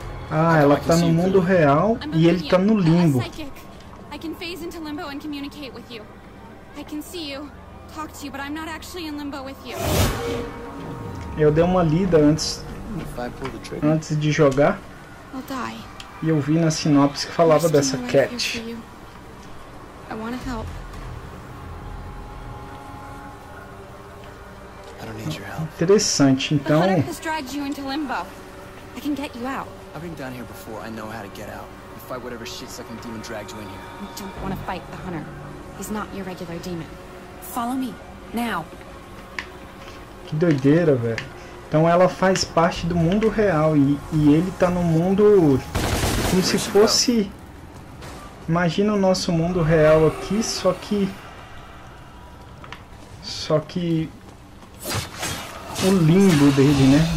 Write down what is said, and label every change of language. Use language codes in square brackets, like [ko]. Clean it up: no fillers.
[pt] Ah, ela tá no mundo real e ele tá no limbo. [en] I can phase into limbo and communicate with you. I can see you, talk to you, but I'm not actually in limbo with you. [pt] Eu dei uma lida antes de jogar. E eu vi na sinopse que falava dessa Cat. [en] I want to help. I don't need your help. [pt] Interessante, então. [en] The hunter has dragged you into limbo. I can get you out. I've been down here before. I know how to get out. Fight whatever shit-sucking demon dragged you in here. You don't want to fight the hunter. He's not your regular demon. Follow me now. [pt] Que doideira, velho. Então ela faz parte do mundo real e ele tá no mundo como se fosse. Imagina o nosso mundo real aqui, só que o limbo dele, né?